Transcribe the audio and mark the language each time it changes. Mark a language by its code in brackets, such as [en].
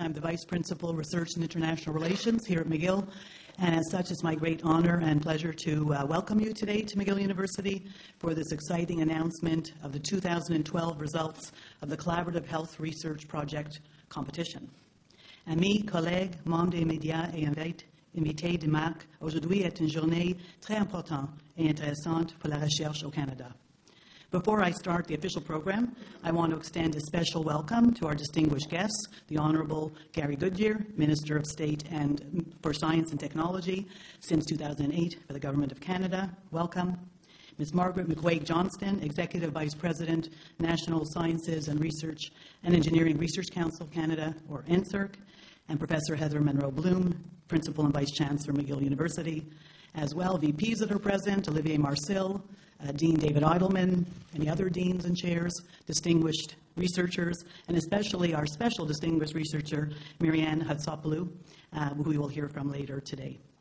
[en] I'm the Vice Principal of Research and International Relations here at McGill. And as such, it's my great honor and pleasure to welcome you today to McGill University for this exciting announcement of the 2012 results of the Collaborative Health Research Project competition. [fr] Amis, collègues, membres des médias et invités de Mac, aujourd'hui est une journée très importante et intéressante pour la recherche au Canada. [en] Before I start the official program, I want to extend a special welcome to our distinguished guests, the Honorable Gary Goodyear, Minister of State and for Science and Technology since 2008 for the Government of Canada. Welcome. Ms. Margaret McQuaig-Johnston, Executive Vice President, National Sciences and Research and Engineering Research Council of Canada, or NSERC, and Professor Heather Monroe Bloom, Principal and Vice Chancellor, McGill University, as well VPs that are present, Olivier Marcil, Dean David Eidelman, any other deans and chairs, distinguished researchers, and especially our special distinguished researcher, Marianne Hatsopoulou, who we will hear from later today.